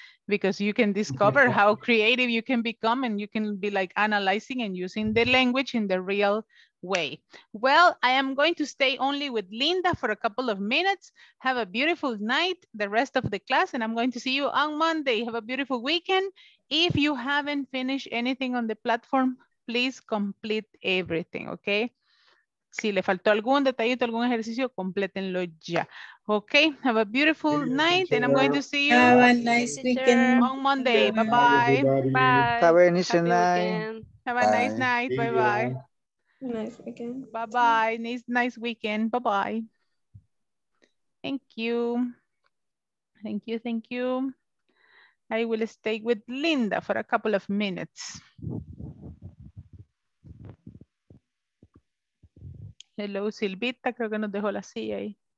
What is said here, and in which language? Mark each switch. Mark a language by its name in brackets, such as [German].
[English] Because you can discover how creative you can become, and you can be like analyzing and using the language in the real way. Well, I am going to stay only with Linda for a couple of minutes. Have a beautiful night, the rest of the class, and I'm going to see you on Monday. Have a beautiful weekend. If you haven't finished anything on the platform, please complete everything, okay? [Spanish] Si le faltó algún detallito, algún ejercicio, complétenlo ya. [English] Okay, have a beautiful night, and I'm going to see you. Have a nice weekend. On Monday, bye-bye. Bye. Bye. Have a nice night. Have a nice night, bye-bye. Nice weekend. Bye-bye. Nice weekend. Bye-bye. Thank you. Thank you. Thank you. I will stay with Linda for a couple of minutes. Hello, [Spanish] Silvita. Creo que nos dejó la silla ahí.